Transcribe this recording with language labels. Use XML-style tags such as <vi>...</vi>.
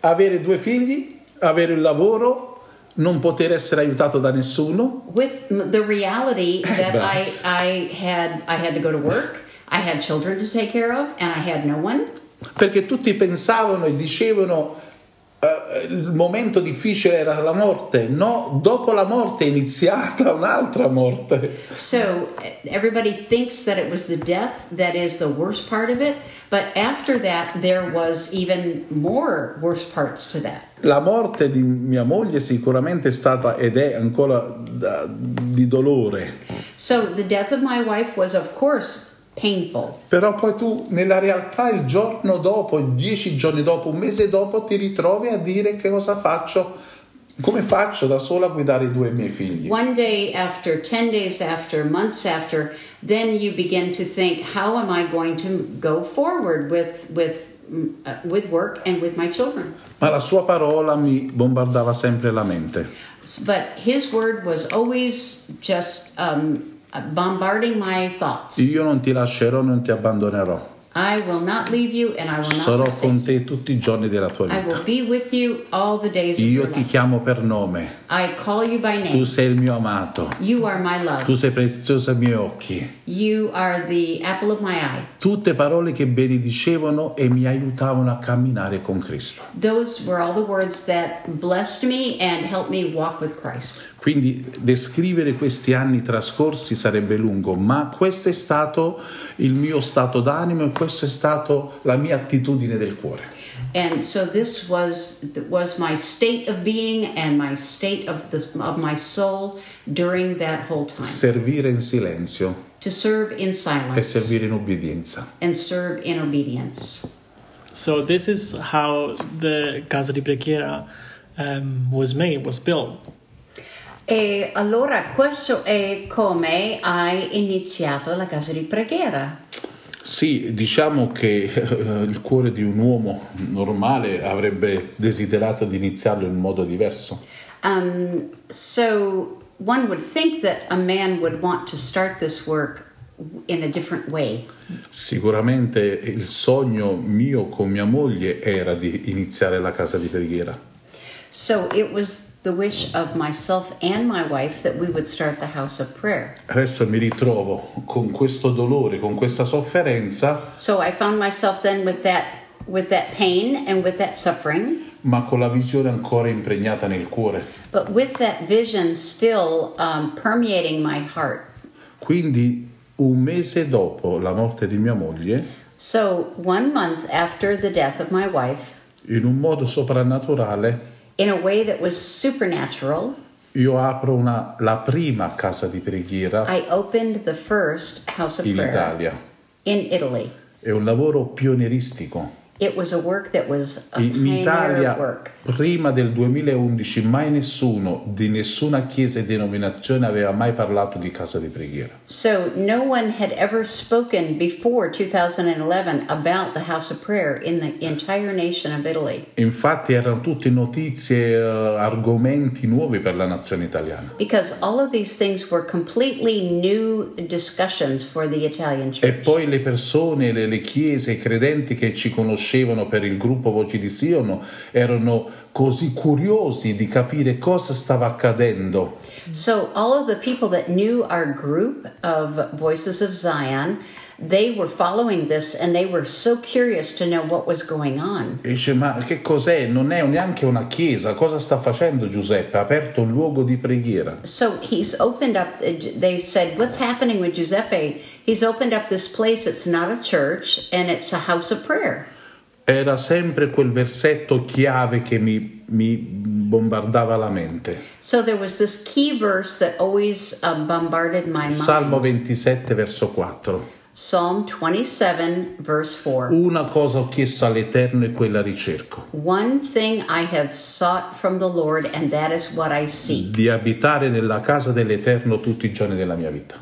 <it>avere due figli, avere il lavoro, non poter essere aiutato da nessuno,</it> <en>with the reality that I had to go to work, I had children to take care of, and I had no one.</en> <it>Perché tutti pensavano e dicevano: il momento difficile era la morte. No, dopo la morte è iniziata un'altra morte.</it> <en>So everybody thinks that it was the death that is the worst part of it, but after that there was even more worse parts to that.</en> <it>La morte di mia moglie sicuramente è stata ed è ancora di dolore.</it> <en>So the death of my wife was of course painful.</en> <it>Però poi tu nella realtà il giorno dopo, 10 giorni dopo, un mese dopo ti ritrovi a dire: che cosa faccio? Come faccio da sola a guidare i due miei figli?</it> <en>One day after, 10 days after, months after, then you begin to think: how am I going to go forward with work and with my children?</en> <it>Ma la sua parola mi bombardava sempre la mente.</it> <en>But his word was always just bombarding my thoughts.</en> <it>Io non ti lascerò, non ti abbandonerò.</it> <en>I will not leave you and I will not forsake you.</en> <it>Sarò con te tutti i giorni della tua vita.</it> <en>I will be with you all the days of your life.</en> <it>Io ti chiamo per nome.</it> <en>I call you by name.</en> <it>Tu sei il mio amato.</it> <en>You are my love.</en> <it>Tu sei prezioso ai miei occhi.</it> <en>You are the apple of my eye.</en> <it>Tutte parole che benedicevano e mi aiutavano a camminare con Cristo.</it> <en>Those were all the words that blessed me and helped me walk with Christ.</en> <it>Quindi descrivere questi anni trascorsi sarebbe lungo, ma questo è stato il mio stato d'animo e questa è stata la mia attitudine del cuore.</it> <en>And so this was my state of being and my state of my soul during that whole time.</en> <it>Servire in silenzio.</it> <en>To serve in silence.</en> <it>E servire in obbedienza.</it> <en>And serve in obedience. So this is how the Casa di Preghiera was made, was built.</en> <it>E allora questo è come hai iniziato la casa di preghiera. Sì, diciamo che il cuore di un uomo normale avrebbe desiderato di iniziarlo in modo diverso.</it> <en>So one would think that a man would want to start this work in a different way.</en> <it>Sicuramente il sogno mio con mia moglie era di iniziare la casa di preghiera.</it> <en>So it was the wish of myself and my wife that we would start the house of prayer.</en> <it>Adesso mi ritrovo con questo dolore, con questa sofferenza.</it> <en>So I found myself then with that with that pain and with that suffering.</en> <it>Ma con la visione ancora impregnata nel cuore.</it> <en>But with that vision still permeating my heart.</en> <it>Quindi un mese dopo la morte di mia moglie.</it> <en>So 1 month after the death of my wife.</en> <it>In un modo soprannaturale.</it> <en>In a way that was supernatural.</en> <it>Io apro la prima casa di preghiera.</it> <en>I opened the first house of prayer.</en> <it>In Italia.</it> <en>In Italy.</en> <it>È un lavoro pioneristico.</it> <en>It was a work that was a pioneer</en> <it>in Italia,</it> <en>work.</en> <it>Prima del 2011 mai nessuno di nessuna chiesa e denominazione aveva mai parlato di casa di preghiera.</it> <en>So no one had ever spoken before 2011 about the house of prayer in the entire nation of Italy.</en> <it>Infatti erano tutte notizie, argomenti nuovi per la nazione italiana.</it> <en>Because all of these things were completely new discussions for the Italian church.</en> <it>E poi le persone, le chiese, i credenti che ci conoscevano per il gruppo Voci di Sionno erano così curiosi di capire cosa stava accadendo.</it> <en>So all of the people that knew our group of Voices of Zion, they were following this and they were so curious to know what was going on.</en> <it>E dice, ma che cos'è? Non è neanche una chiesa. Cosa sta facendo Giuseppe? Ha aperto un luogo di preghiera.</it> <en>So he's opened up, they said, what's happening with Giuseppe? He's opened up this place, it's not a church and it's a house of prayer.</en> <it>Era sempre quel versetto chiave che mi bombardava la mente.</it> <en>So there was this key verse that always bombarded my mind.</en> <it>Salmo 27 verso 4.</it> <en>Psalm 27 verse 4.</en> <it>Una cosa ho chiesto all'Eterno e quella ricerco.</it> <en>One thing I have sought from the Lord and that is what I seek.</en> <it>Di abitare nella casa dell'Eterno tutti i giorni della mia vita.</it>